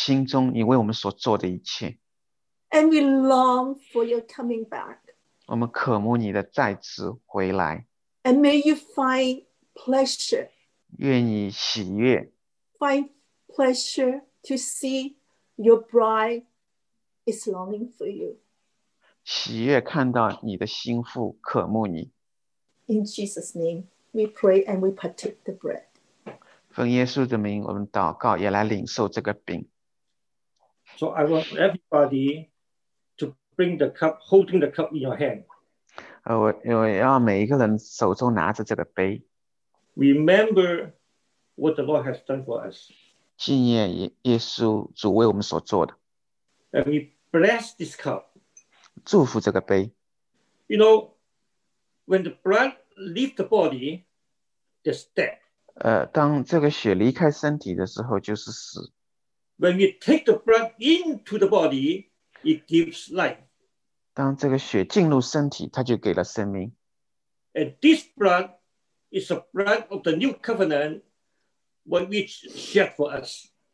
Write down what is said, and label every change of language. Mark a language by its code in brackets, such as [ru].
[zh] 我们永远都不会忘记，我们珍藏着在我们心中你为我们所做的一切。 [en] And we long for your coming back. [zh] 我们渴慕你的再次回来。 [en] And may you find pleasure. [zh] 愿你喜悦。 [en] Find pleasure to see your bride is longing for you. [zh] 喜悦看到你的心腹渴慕你。 [en] In Jesus' name, we pray and we partake the bread. [zh] 奉耶稣的名，我们祷告，也来领受这个饼。 [en] So I want everybody to bring the cup, holding the cup in your hand. [zh] 我要每一个人手中拿着这个杯。 [en] Remember what the Lord has done for us. [zh] 纪念耶稣主为我们所做的。 [en] And we bless this cup. [zh] 祝福这个杯。 [en] You know, when the blood leaves the body, there's death. [zh] 当这个血离开身体的时候，就是死。 [en] When we take the blood into the body, it gives life. [zh] 当这个血进入身体，它就给了生命。 [en] And this blood is the blood of the new covenant, what we shed for us.